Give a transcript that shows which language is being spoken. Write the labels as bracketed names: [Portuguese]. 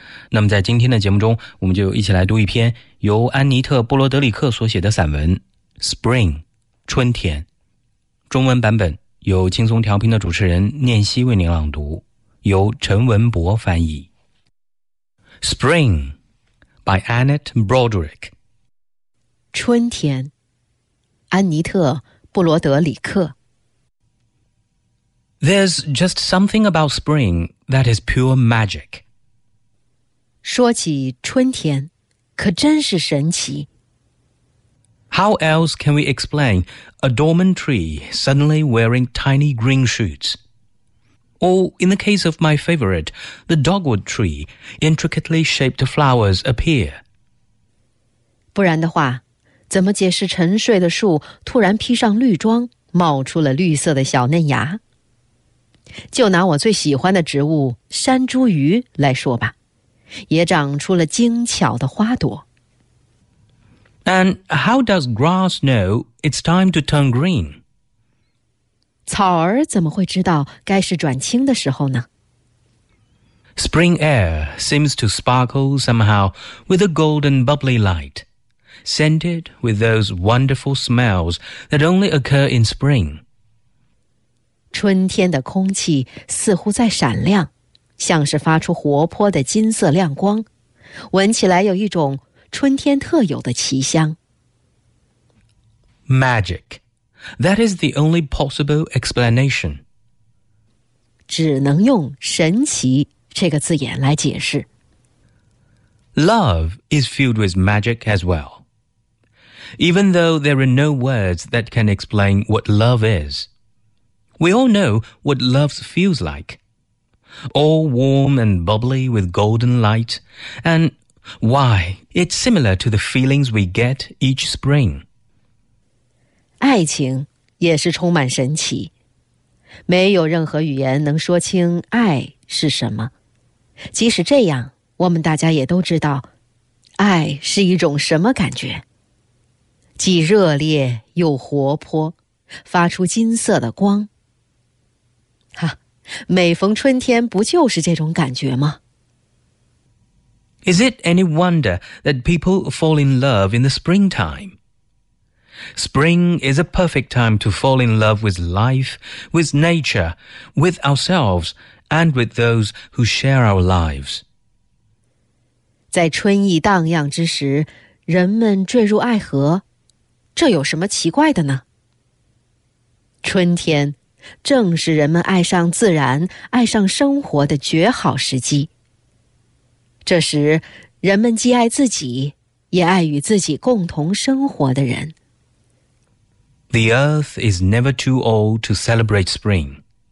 [Chinese] 那么在今天的节目中，我们就一起来读一篇由安妮特·布罗德里克所写的散文 Spring 春天，中文版本由轻松调频的主持人念希为您朗读，由陈文博翻译。 [English] Spring by Annette Broadrick. [Chinese] 春天，安妮特·布罗德里克。 [English] There's just something about spring that is pure magic. [Chinese] 说起春天，可真是神奇。 [English] How else can we explain a dormant tree suddenly wearing tiny green shoots? Or, in the case of my favorite, the dogwood tree, intricately shaped flowers appear. [Chinese] 不然的话，怎么解释沉睡的树突然披上绿装，冒出了绿色的小嫩芽？就拿我最喜欢的植物山茱萸来说吧，也长出了精巧的花朵。 [English] And how does grass know it's time to turn green? [Chinese] 草儿怎么会知道该是转青的时候呢？ [English] Spring air seems to sparkle somehow with a golden bubbly light, scented with those wonderful smells that only occur in spring. [Chinese] 春天的空气似乎在闪亮，像是发出活泼的金色亮光，闻起来有一种春天特有的奇香。 [English] Magic. That is the only possible explanation. [Chinese] 只能用神奇这个字眼来解释。 [English] Love is filled with magic as well. Even though there are no words that can explain what love is, we all know what love feels like. All warm and bubbly with golden light, andWhy, it's similar to the feelings we get each spring. [Chinese] 爱情也是充满神奇。没有任何语言能说清爱是什么。即使这样，我们大家也都知道，爱是一种什么感觉。既热烈又活泼，发出金色的光。哈，每逢春天不就是这种感觉吗？ [English] Is it any wonder that people fall in love in the springtime? Spring is a perfect time to fall in love with life, with nature, with ourselves, and with those who share our lives. [Chinese] 在春意荡漾之时，人们坠入爱河，这有什么奇怪的呢？春天正是人们爱上自然、爱上生活的绝好时机。这时，人们既爱自己，也爱与自己共同生活的人。 [English] The earth is never too old to celebrate spring.